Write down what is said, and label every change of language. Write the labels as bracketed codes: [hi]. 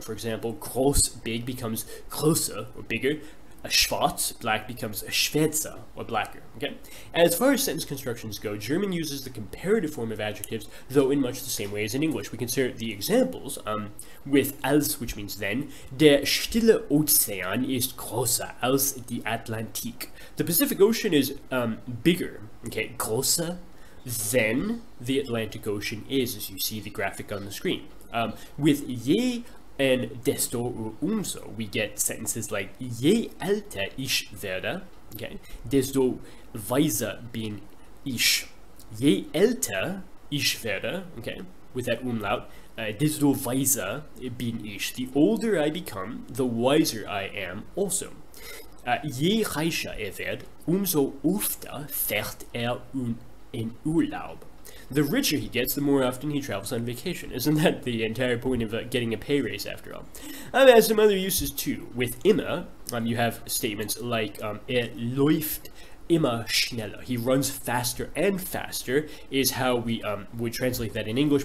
[en] For example, groß, big, becomes größer, or bigger. A schwarz, black, becomes a schwarzer, or blacker. Okay? As far as sentence constructions go, German uses the comparative form of adjectives, though in much the same way as in English. We consider the examples with als, which means then. [de] Der stille Ozean ist größer als die Atlantik. [en] The Pacific Ocean is bigger, okay, größer than the Atlantic Ocean is, as you see the graphic on the screen. With je and desto or umso, we get sentences like [de] je älter ich werde, okay, desto weiser bin ich. Je älter ich werde, [en] okay, with that umlaut, [de] desto weiser bin ich. [en] The older I become, the wiser I am also. [de] Je reicher wird, umso öfter fährt in Urlaub. [en] The richer he gets, the more often he travels on vacation. Isn't that the entire point of getting a pay raise, after all? I've had some other uses, too. With immer, you have statements like, [de] er läuft immer schneller. [en] He runs faster and faster, is how we would translate that in English.